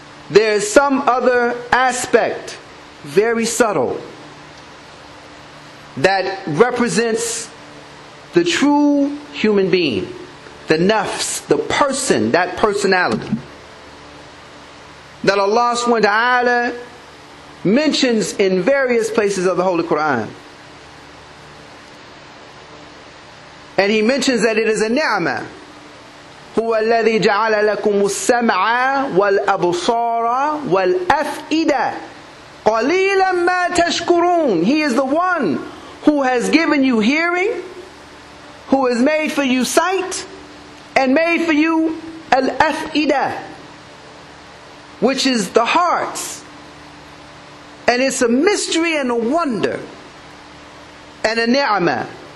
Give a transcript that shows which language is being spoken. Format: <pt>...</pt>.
<en>There is some other aspect, very subtle, that represents the true human being, the nafs, the person, that personality, that Allah subhanahu wa ta'ala mentions in various places of the Holy Quran. And He mentions that it is a ni'mah.</en> <ar>هو الذي جعل لكم السمع والأبصار والأفئدة قليلا ما تشكرون.</ar> <en>He is the one who has given you hearing, who has made for you sight, and made for you الأفئدة, which is the hearts. And it's a mystery and a wonder and a ni'mah.</en>